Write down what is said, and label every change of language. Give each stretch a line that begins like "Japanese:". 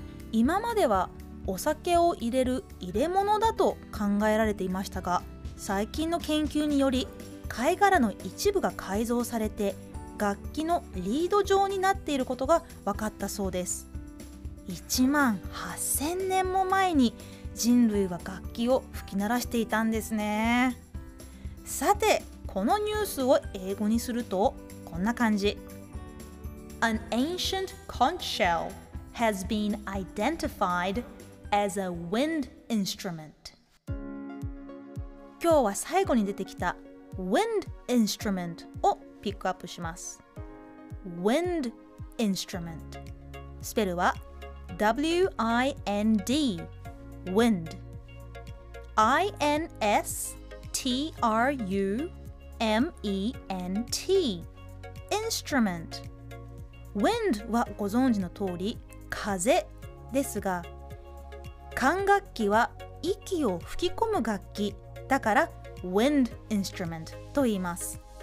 Japanese: 今まではお酒を入れる入れ物だと考えられていましたが、最近の研究により貝殻の一部が改造されて楽器のリード状になっていることが分かったそうです。 1万8000年も前に人類は楽器を吹き鳴らしていたんですね。さてこのニュースを英語にするとこんな感じ。
English: An ancient conch shell has been identified as a wind instrument.
Japanese: 今日は最後に出てきた wind instrument をピックアップします。 wind instrument スペルは W-I-N-D wind I-N-S-T-R-UM-E-N-T Instrument Wind はご存知の通り風ですが、管楽器は息を吹き込む楽器だから Wind Instrument と言います。